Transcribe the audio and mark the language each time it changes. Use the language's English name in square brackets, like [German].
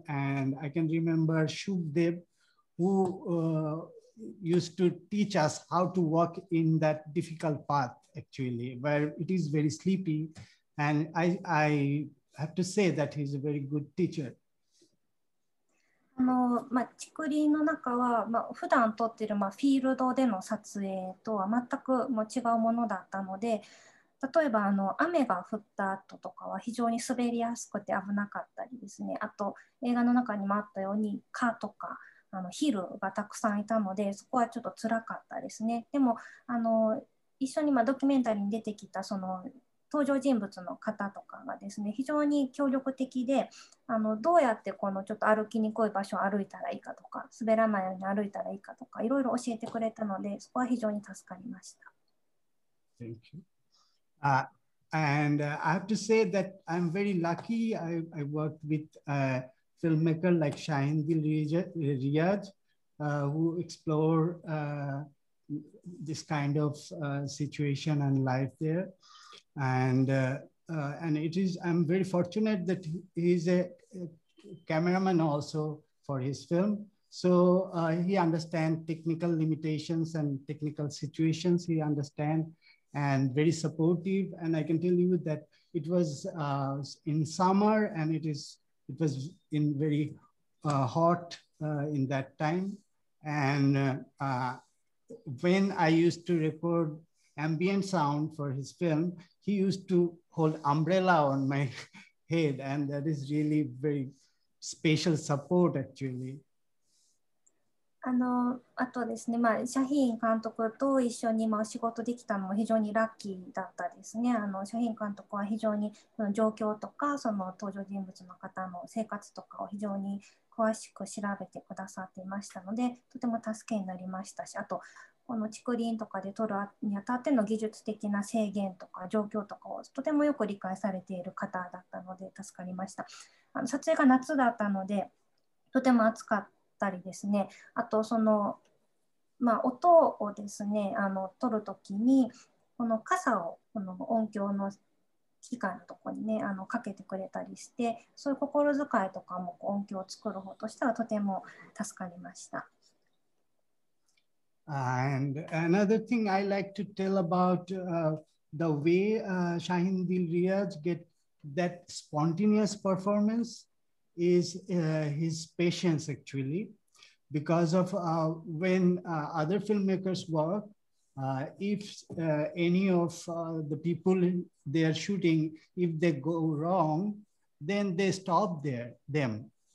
[English] And I can remember Shukdev, who used to teach us how to walk in that difficult path, actually, where it is very sleepy. And I have to say that he's a very good teacher. [Japanese] チクリの中は、普段撮ってる、フィールドでの撮影とは全くもう違うものだったので、例えば雨が降った後とかは非常に滑りやすくて危なかったりですね、あと映画の中にもあったように蚊とかヒルがたくさんいたので、そこはちょっと辛かったですね。でも一緒にドキュメンタリーに出てきたその登場人物の方とかがですね、非常に協力的で、どうやってこのちょっと歩きにくい場所を歩いたらいいかとか、滑らないように歩いたらいいかとか、いろいろ教えてくれたので、そこは非常に助かりました。 [English] Thank you. And I have to say that I'm very lucky. I worked with a filmmaker like Shahindil Riyaj, who explore this kind of situation and life there. And it is, I'm very fortunate that he's a cameraman also for his film. So he understands technical limitations and technical situations, he understands, and very supportive. And I can tell you that it was in summer, and it was in very hot in that time. And when I used to record ambient sound for his film, he used to hold umbrella on my head, and that is really very special support, actually. [Japanese] あとですね、シャヒーン監督と一緒にお仕事できたのも非常にラッキーだったですね。シャヒーン監督は非常に状況とか、その登場人物の方の生活とかを非常に詳しく調べてくださっていましたので、とても助けになりましたし、あと、この竹林とかで撮るにあたっての技術的な制限とか状況とかをとてもよく理解されている方だったので助かりました。撮影が夏だったのでとても暑かったりですね、あとその、音をですね撮るときにこの傘をこの音響の機械のところにねかけてくれたりして、そういう心遣いとかも音響を作る方としてはとても助かりました。 [English] And another thing I like to tell about the way Shahindil Riyaj get that spontaneous performance is his patience, actually. Because of when other filmmakers work, if any of the people they are shooting, if they go wrong, then they stop them.